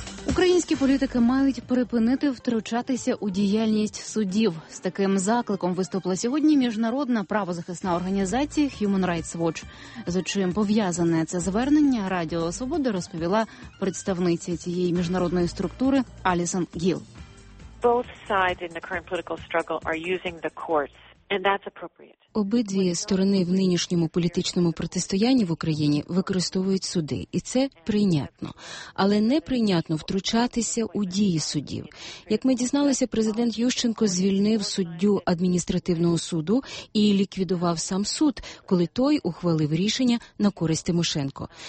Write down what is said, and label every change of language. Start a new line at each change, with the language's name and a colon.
Ukrainian: Українські політики мають припинити втручатися у діяльність судів. З таким закликом виступила сьогодні міжнародна правозахисна організація Human Rights Watch. З чим пов'язане це звернення, Радіо Свободи розповіла представниця цієї міжнародної структури Алісон Гіл.
English: Both sides in the current political struggle are using the courts.
Ukrainian: Обидві сторони в нинішньому політичному протистоянні в Україні використовують суди, і це прийнятно. Але неприйнятно втручатися у дії судів. Як ми дізналися, президент Ющенко звільнив суддю адміністративного суду і ліквідував сам суд, коли той ухвалив рішення на користь Тимошенко.